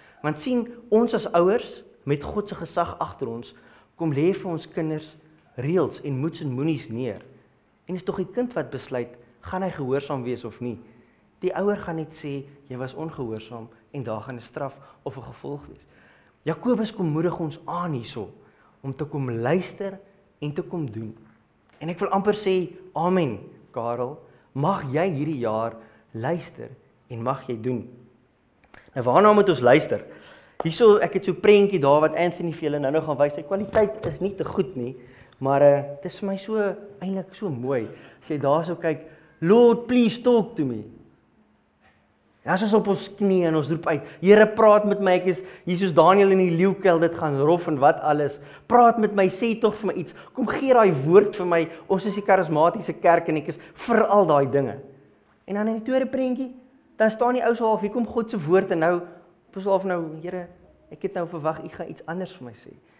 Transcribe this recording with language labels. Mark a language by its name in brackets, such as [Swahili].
[Afrikaans] Want sien, ons as ouers met God se gesag agter ons, kom lê vir ons kinders reëls en moets en moenies neer. En is tog die kind wat besluit, gaan hy gehoorsaam wees of nie. Die ouer gaan net sê, jy was ongehoorsaam en daar gaan 'n straf of 'n gevolg wees. Jakobus kom moedig ons aan hierso om te kom luister en te kom doen. En ek wil amper sê, amen, Karel, mag jy hierdie jaar luister en mag jy doen. Nou waarna moet ons luister? Hierso, ek het so 'n prentjie daar wat Anthony vir julle nou gaan wys. Die kwaliteit is nie te goed nie, maar dit is vir my so eintlik so mooi. As jy daarso kyk, [English] Lord, please talk to me. [Afrikaans] Ja, ons op ons knie en ons roep uit. Here, praat met my. Ek is hier soos Daniel in die leeukuil, dit gaan rof en wat alles. Praat met my, sê tog vir my iets. Kom gee daai woord vir my. Ons is die karismatiese kerk en ek is vir al daai dinge. En dan in die tweede prentjie, dan staan die ou so half, hier kom God se woord en nou op ons half nou, Here, ek het nou verwag u gaan iets anders vir my sê.